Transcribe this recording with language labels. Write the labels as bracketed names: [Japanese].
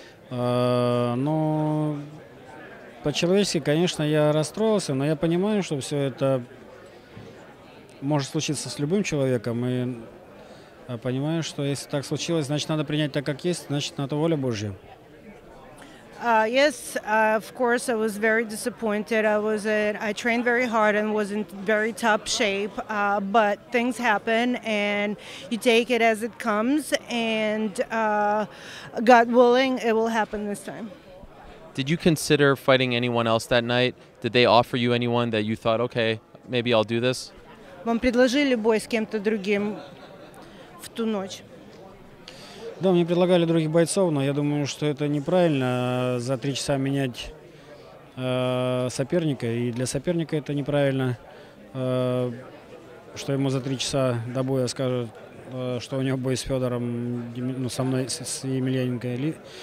[Russian] Но по-человечески, конечно, я расстроился, но я понимаю, что все это может случиться с любым человеком. И понимаю, что если так случилось, значит, надо принять так, как есть, значит, на то воля Божья. [English] Yes, of course, I was very disappointed. I trained very hard and was in very top shape, but things happen and you take it as it comes, and God willing, it will happen this time. Did you consider fighting anyone else that night? Did they offer you anyone that you thought, okay, maybe I'll do this? [Russian] Вам предложили бой с кем-то другим в ту ночь? Да, мне предлагали других бойцов, но я думаю, что это неправильно за три часа менять соперника. И для соперника это неправильно, что ему за три часа до боя скажут, что у него бой с Федором, ну, со мной, с Емельяненко.